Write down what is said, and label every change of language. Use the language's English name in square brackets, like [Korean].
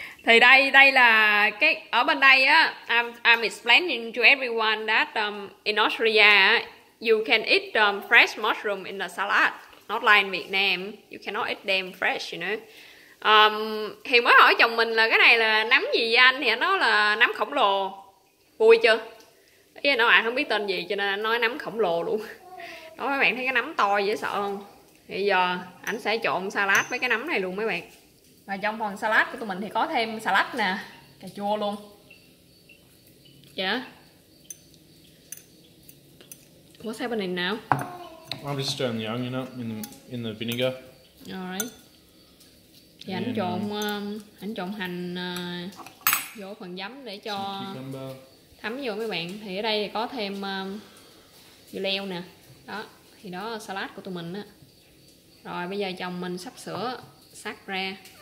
[Vietnamese] Thì đây đây là cái ở bên đây á, [English] I'm explaining to everyone that in Australia you can eat fresh mushroom in the salad, not like in Vietnam, you cannot eat them fresh, you know. [Vietnamese] Thì mới hỏi chồng mình là cái này là nấm gì vậy anh, thì anh nói là nấm khổng lồ. Vui chưa? Ý là nó bạn không biết tên gì cho nên anh nói nấm khổng lồ luôn. Đó mấy bạn thấy cái nấm to dễ sợ không? Thì giờ anh sẽ trộn salad với cái nấm này luôn mấy bạn. Và trong phần salad của tụi mình thì có thêm salad nè, cà chua luôn. Dạ. [English] What's happening now? I'm just stirring the onion up in the vinegar. [Vietnamese] Alright. Thì anh trộn hành vô phần giấm để cho thấm vô mấy bạn. Thì ở đây thì có thêm dưa leo nè. Đó, thì đó là salad của tụi mình á. Rồi bây giờ chồng mình sắp sửa sắc ra.